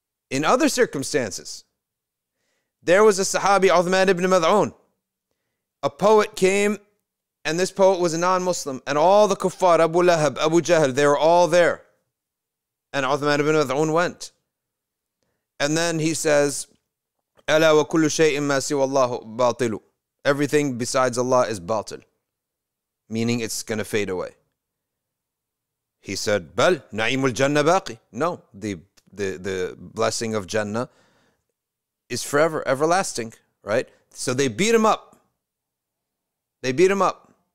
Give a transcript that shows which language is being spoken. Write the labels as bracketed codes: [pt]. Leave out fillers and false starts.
[en] In other circumstances, there was a Sahabi, Uthman ibn Mad'un. A poet came, and this poet was a non-Muslim, and all the kuffar, Abu Lahab, Abu Jahl, they were all there. And Uthman ibn Mad'un went. [ar] And then he says, أَلَا وَكُلُّ شَيْءٍ مَا سِوَى اللَّهُ بَاطِلُ. [en] Everything besides Allah is batil. Meaning it's going to fade away. He said, [ar] "Bal na'im al-jannah baqi." [en] No, the blessing of Jannah is forever, everlasting, right? So they beat him up. They beat him up.